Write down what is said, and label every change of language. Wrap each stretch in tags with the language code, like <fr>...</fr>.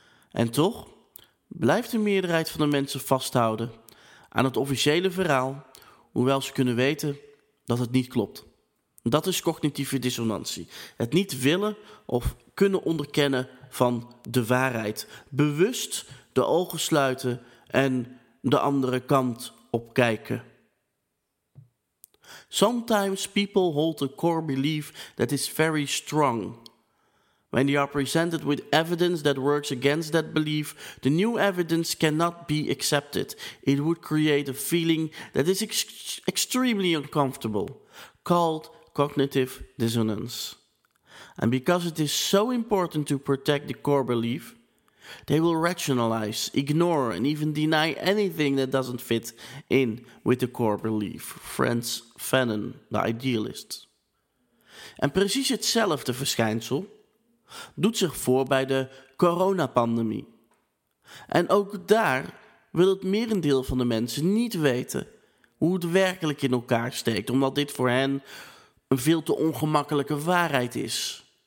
<nl>En toch blijft de meerderheid van de mensen vasthouden aan het officiële verhaal, hoewel ze kunnen weten dat het niet klopt. Dat is cognitieve dissonantie. Het niet willen of kunnen onderkennen van de waarheid. Bewust de ogen sluiten en de andere kant opkijken.</nl> <en>Sometimes people hold a core belief that is very strong. When they are presented with evidence that works against that belief, the new evidence cannot be accepted. It would create a feeling that is extremely uncomfortable, called cognitive dissonance. And because it is so important to protect the core belief, they will rationalize, ignore, and even deny anything that doesn't fit in with the core belief. Frantz Fanon, the idealist.</en> <nl>En precies hetzelfde verschijnsel doet zich voor bij de coronapandemie. En ook daar wil het merendeel van de mensen niet weten hoe het werkelijk in elkaar steekt, omdat dit voor hen een veel te ongemakkelijke waarheid is.</nl>